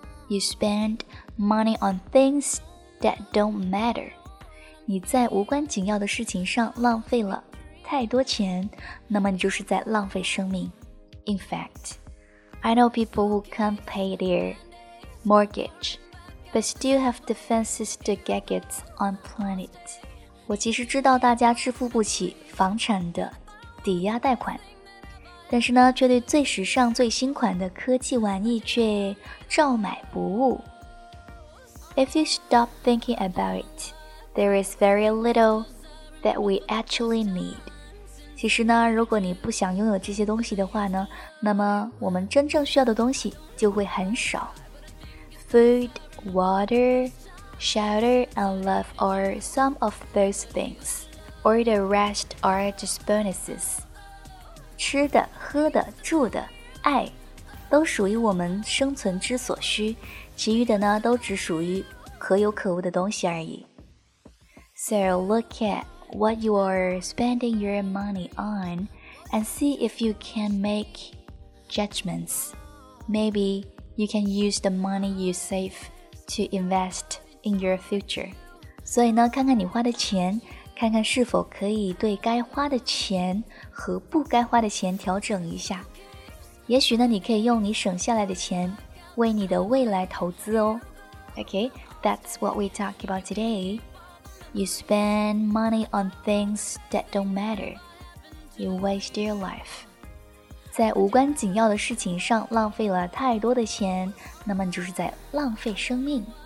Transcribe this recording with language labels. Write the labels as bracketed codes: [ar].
[en] You spend money on things that don't matter. [zh] 你在无关紧要的事情上浪费了太多钱，那么你就是在浪费生命。 [en] In fact, I know people who can't pay their mortgage. But still have defenses to gadgets on planet. [zh] 我其实知道大家支付不起房产的抵押贷款，但是呢，却对最时尚、最新款的科技玩意却照买不误。 [en] If you stop thinking about it, there is very little that we actually need. [zh] 其实呢，如果你不想拥有这些东西的话呢，那么我们真正需要的东西就会很少。 [en] Food. Water, shelter, and love are some of those things, or the rest are just bonuses. [zh] 吃的、喝的、住的、爱，都属于我们生存之所需，其余的呢，都只属于可有可无的东西而已。 [en] So look at what you are spending your money on, and see if you can make judgments. Maybe you can use the money you saveTo invest in your future. [zh] 所以呢，看看你花的钱，看看是否可以对该花的钱和不该花的钱调整一下。也许呢，你可以用你省下来的钱为你的未来投资哦。 [en] Okay, that's what we talk about today. You spend money on things that don't matter. You waste your life. [zh] 在无关紧要的事情上浪费了太多的钱，那么你就是在浪费生命。